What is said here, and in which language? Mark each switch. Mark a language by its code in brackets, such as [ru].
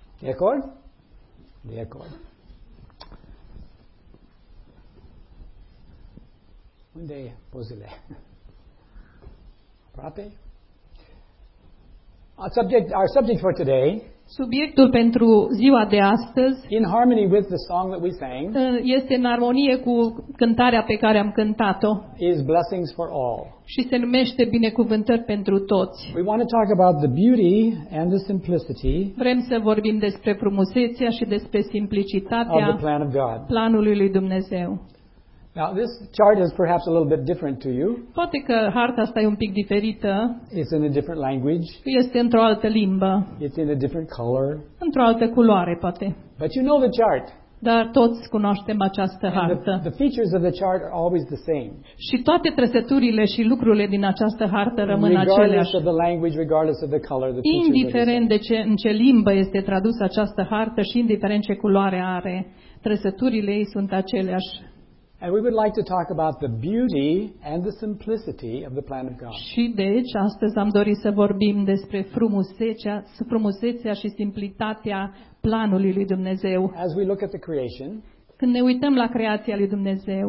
[ro] De acord? De acord. Unde e pozele? Aproape? [en] Our subject for today. [ro] Subiectul pentru ziua de astăzi. [en] In harmony with the song that we sang. [ro] Este în armonie cu cântarea pe care am cântat-o. [en] Is blessings for all. [ro] Și se numește binecuvântări pentru toți. [en] We want to talk about the beauty and the simplicity. [ro] Vrem să vorbim despre frumusețea și despre simplicitatea. [en] Of the plan of God. [ro] Planului lui Dumnezeu. [en] Now this chart is perhaps a little bit different to you. [ro] Poate că harta asta e un pic diferită. [en] It's in a different language. [ro] Este într-o altă limbă. [en] It's in a different color. [ro] Într-o altă culoare, poate. [en] But you know the chart. [ro] Dar toți cunoaștem această hartă. [en] The features of the chart are always the same. [ro] Și toate trăsăturile și lucrurile din această hartă rămân aceleași. [en] Of the language, regardless of the color, the [ro] indiferent de ce, în ce limbă este tradusă această hartă și indiferent ce culoare are, trăsăturile ei sunt aceleași. [en] And we would like to talk about the beauty and the simplicity of the plan of God. [ro] Și deci astăzi am dorit să vorbim despre frumusețea și simplitatea planului lui Dumnezeu. [en] As we look at the creation, [ro] când ne uităm la creația lui Dumnezeu,